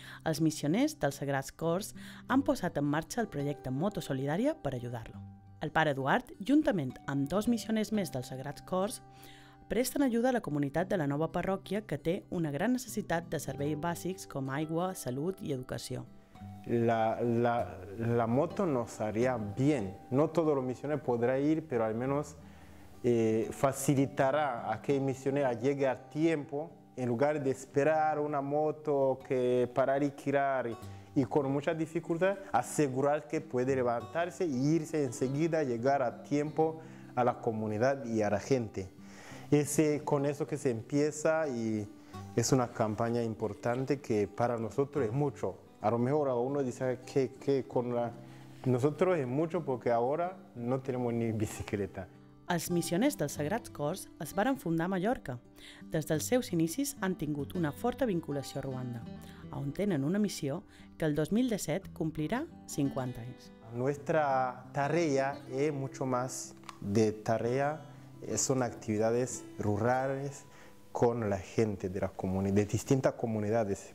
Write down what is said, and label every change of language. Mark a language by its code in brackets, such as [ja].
[ca] Els missioners dels Sagrats Cors han posat en marxa el projecte Moto Solidària per ajudar-lo. El pare Eduard, juntament amb 2 missioners més dels Sagrats Cors, presten ajuda a la comunitat de la nova parròquia que té una gran necessitat de serveis bàsics com aigua, salut i educació. [es] La moto nos haría bien. No todos los misioneros podrán ir, pero al menos facilitará a que el misionero llegue a tiempo en lugar de esperar una moto que para alquilar y con mucha dificultad, asegurar que puede levantarse e irse enseguida, llegar a tiempo a la comunidad y a la gente. Es con eso que se empieza y es una campaña importante que para nosotros es mucho. A lo mejor uno dice que con la... Nosotros es mucho porque ahora no tenemos ni bicicleta. [ca] Els missioners dels Sagrats Cors es varen fundar a Mallorca. Des dels seus inicis han tingut una forta vinculació a Ruanda, on tenen una missió que el 2017 complirà 50 anys. [es] Nuestra tarea es mucho más de tarea, son actividades rurales con la gente de las comunidades, de distintas comunidades.